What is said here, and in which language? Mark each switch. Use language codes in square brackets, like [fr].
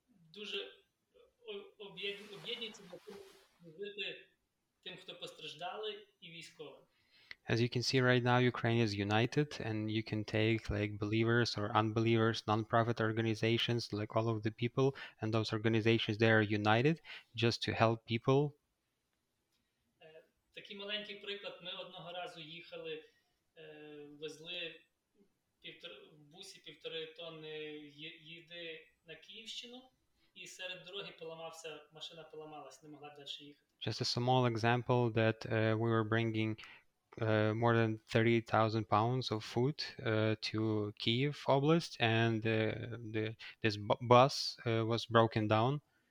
[uk] Дуже об'єднується, бо жити тим, хто постраждали, і військовим. [en] As you can see right now, Ukraine is united, and you can take like believers or unbelievers, non-profit organizations, like all of the people, and those organizations, they are united just to help people. [uk] Такий маленький приклад. Ми одного разу їхали, везли в бусі півтори тонни їди на Київщину, і серед дороги поламався, машина поламалась, не могла далі їхати. [en] Just a small example that we were bringing more than 30,000 pounds of food to Kiev oblast, and this bus was broken down.